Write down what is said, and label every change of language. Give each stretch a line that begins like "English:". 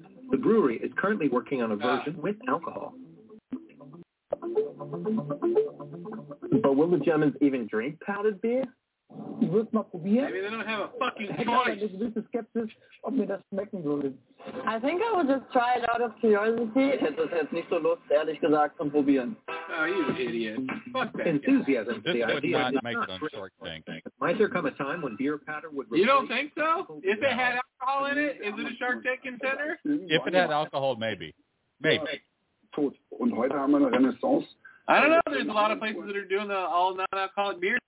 English: The brewery is currently working on a version with alcohol. But will the Germans even drink powdered beer?
German: Wird noch probiert?
English: Maybe they don't have a fucking choice. I'm a little
German: skeptisch, ob mir das schmecken würde.
English: I think I will just try it out of curiosity.
German: Ich hätte das jetzt nicht so Lust, ehrlich gesagt, zum probieren.
English: Oh, you idiot. Fuck that. Enthusiasm for the idea would not make it on Shark Tank. Might there come a time when beer powder would... You don't think so? If it had alcohol in it, is it a Shark Tank contender? If it had alcohol, maybe. Maybe.
German: Und heute haben wir eine Renaissance.
English: I don't know. There's a lot of places that are doing the all non-alcoholic beer.